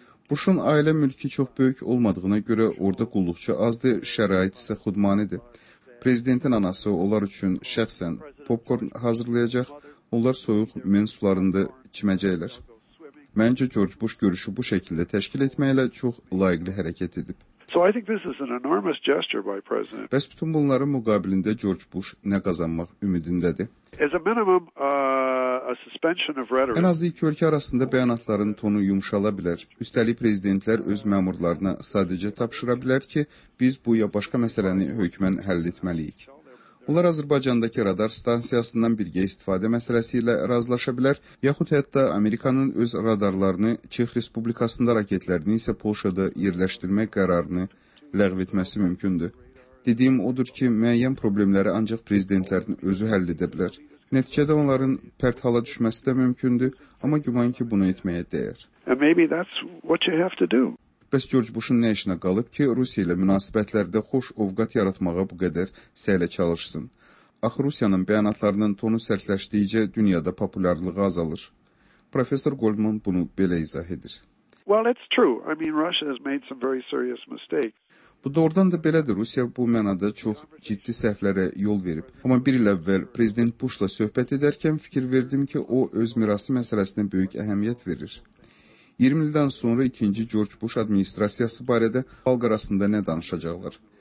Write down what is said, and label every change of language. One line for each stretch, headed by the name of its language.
Azerbaijani: Bush'un ailə mülkü çox böyük olmadığına görə orada qulluqçu azdır, şərait isə xudmanidir. Prezidentin anası onlar üçün şəxsən popcorn hazırlayacaq, onlar soyuq mensularında içməcəklər. Məncə, George Bush görüşü bu şəkildə təşkil etməklə çox layiqli hərəkət edib.
English: So I think this is an enormous gesture by President.
Azerbaijani: Bəs bütün bunların müqabilində George Bush nə qazanmaq ümidindədir?
English: As a minimum, a suspension of rhetoric.
Azerbaijani: Ən azı iki ölkə arasında bəyanatların tonu yumşala bilər. Üstəlik prezidentlər öz məmurlarına sadəcə tapşıra bilər ki, biz bu ya başqa məsələni hökmən həll etməliyik. Onlar Azərbaycandakı radar stansiyasından birgə istifadə məsələsi ilə razılaşa bilər, yaxud hətta Amerikanın öz radarlarını Çex Respublikasında raketlərini isə Polşada yerləşdirmək qərarını ləğv etməsi mümkündür. Dediyim odur ki, müəyyən problemləri ancaq prezidentlərin özü həll edə bilər. Nəticədə onların pərt hala düşməsi də mümkündür, amma güman ki, bunu etməyə dəyər. Bəs George Bush'un nə işinə qalıb ki, Rusiya ilə münasibətlərdə xoş ovqat yaratmağa bu qədər səylə çalışsın? Axı Rusiyanın bəyanatlarının tonu sərtləşdiyicə dünyada populyarlığı azalır. Professor Goldman bunu belə izah edir.
English: Well, it's true. I mean, Russia has made some very serious mistakes.
Azerbaijani: Bu doğrudan da belədir. Rusiya bu mənada çox ciddi səhvlərə yol verib. Amma bir il əvvəl Prezident Bush'la söhbət edərkən fikir verdim ki, o öz mirası məsələsinə böyük əhəmiyyət verir. 20 ildən sonra 2-ci George Bush administrasiyası barədə xalq arasında nə danışacaqlar?